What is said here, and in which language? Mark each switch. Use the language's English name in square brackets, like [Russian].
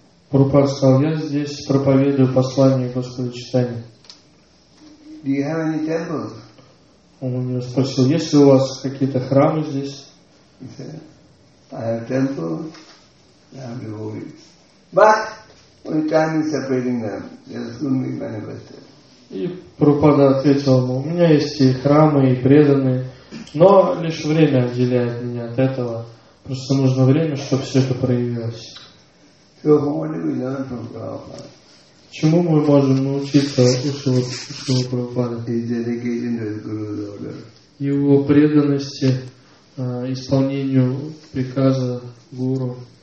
[Russian] Прабхупада сказал, я здесь проповедую послание Господа Читания. [English] Do you have any temples? [Russian] Он у него спросил, есть ли у вас какие-то храмы здесь? [English] He said, I have temples, I have devotees. But only time is separating them. They'll soon be manifested. [Russian] И Прабхупада ответил ему, у меня есть и храмы, и преданные, но лишь время отделяет меня от этого. Просто нужно время, чтобы все это проявилось. [English] So what do we learn from Prabhupada? [Russian] Чему мы можем научиться у Шрилы Прабхупады? Его преданности исполнению приказа гуру.